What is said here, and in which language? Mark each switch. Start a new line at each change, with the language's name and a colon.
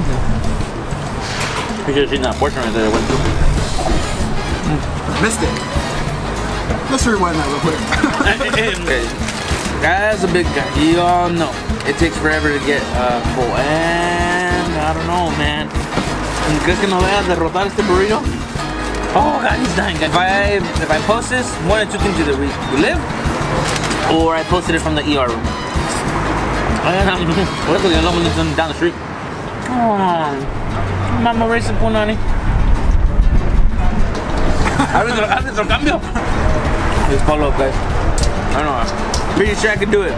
English: Mm-hmm. You should have seen that portion right there. It went through. Missed it. Let's rewind that real quick. Okay. That's a big guy. You all know. It takes forever to get full. And I don't know, man.
Spanish: ¿Crees que me voy a derrotar este burrito?
English: Oh, God, he's dying. If I post this, one of two things either we live, or I posted it from the ER room. What if we get a little bit down the street? Come on. Mama racing, punani.
Spanish: ¿Has visto el cambio?
English: Just follow up, guys. I don't know. Pretty sure I could do it.